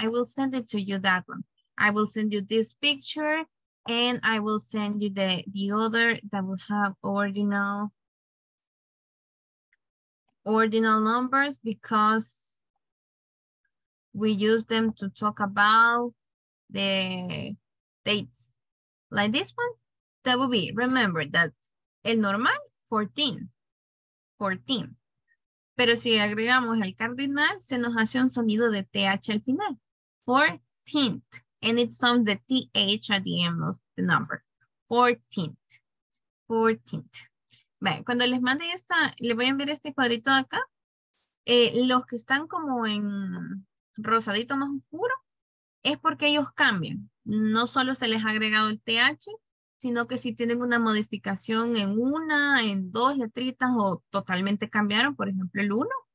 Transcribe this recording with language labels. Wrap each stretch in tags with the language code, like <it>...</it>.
<en>I will send it to you that one. I will send you this picture and I will send you the other that will have ordinal numbers, because we use them to talk about the dates. Like this one, that would be, remember that</en> <es>el normal,</es> <en>14.</en> <es>Pero si agregamos el cardinal, se nos hace un sonido de TH al final.</es> <en>14th. And it sounds the TH at the end of the number. 14th.</en> <es>Bueno, cuando les mande esta, le voy a enviar este cuadrito acá. Los que están como en rosadito más oscuro, es porque ellos cambian. No solo se les ha agregado el TH, sino que si tienen una modificación en una, en dos letritas, o totalmente cambiaron, por ejemplo, el uno.</es>